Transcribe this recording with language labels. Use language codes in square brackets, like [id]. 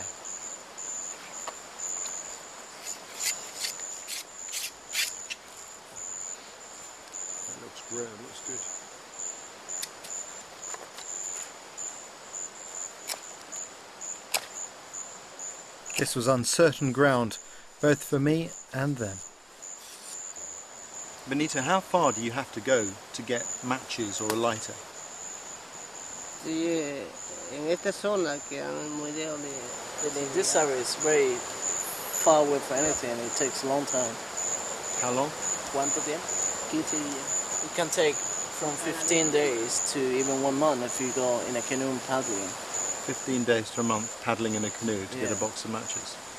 [en] That looks great, it looks good. This was uncertain ground, both for me and them. Benito, how far do you have to go to get matches or a lighter? [es] Sí, en esta zona que muy lejos de [en] this area is very far away from anything, and it takes a long time. How long? [es] ¿Cuánto tiempo? 15 días. [en] It can take from 15 days to even 1 month if you go in a canoe paddling. 15 days to a month paddling in a canoe to get a box of matches.